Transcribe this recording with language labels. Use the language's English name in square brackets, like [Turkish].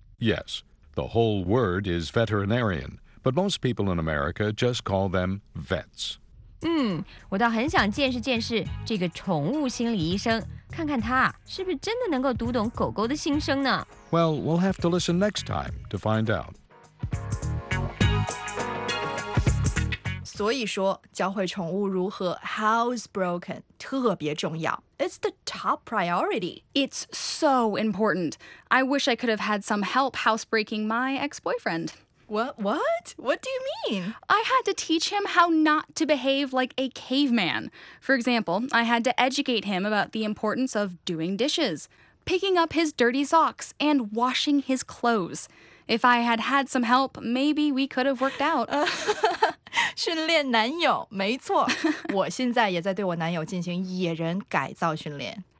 [English] Yes, the whole word is veterinarian, but most people in America just call them vets. [Chinese] 我倒很想见识见识这个宠物心理医生，看看他是不是真的能够读懂狗狗的心声呢? [English] Well, we'll have to listen next time to find out. [Chinese] 所以说，教会宠物如何 housebroken 特别重要。 [English] It's the top priority. It's so important. I wish I could have had some help housebreaking my ex-boyfriend. What do you mean? I had to teach him how not to behave like a caveman. For example, I had to educate him about the importance of doing dishes, picking up his dirty socks, and washing his clothes. If I had had some help, maybe we could have worked out. [Chinese] 训练男友，没错，我现在也在对我男友进行野人改造训练。